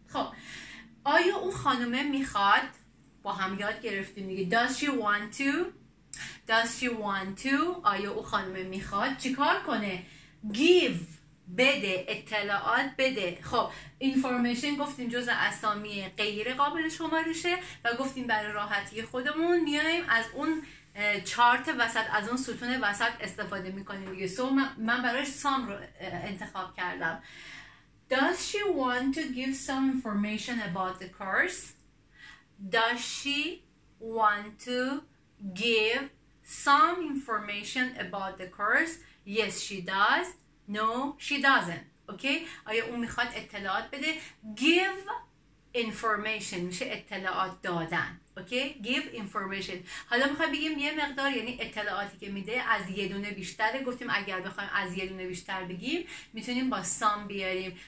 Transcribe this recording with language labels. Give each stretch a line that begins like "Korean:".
Persian: خب آیا اون خانومه میخواد، با هم یاد گرفتیم دیگه،
English: does she want to،
Persian: does she want to، آیا اون خانومه میخواد چیکار کنه؟ give بده، اطلاعات بده. خب information گفتیم جزء اسامی غیر قابل شمارشه و گفتیم برای راحتی خودمون میایم از اون چارت وسط، از اون ستون وسط استفاده میکنیم دیگه. سو من براش سام رو انتخاب کردم.
English: Does she want to give some information about the course? Does she want to give some information about the course? Yes, she does. No, she doesn't. Okay?
Persian: آیا اون میخواد اطلاعات بده؟
English: Give information
Persian: میشه اطلاعات دادن.
English: Okay? Give information.
Persian: حالا میخوایم بگیم یه مقدار، یعنی اطلاعاتی که میده از یه دونه بیشتره. گفتیم اگر بخوایم از یه دونه بیشتر بگیم میتونیم با some بیاریم.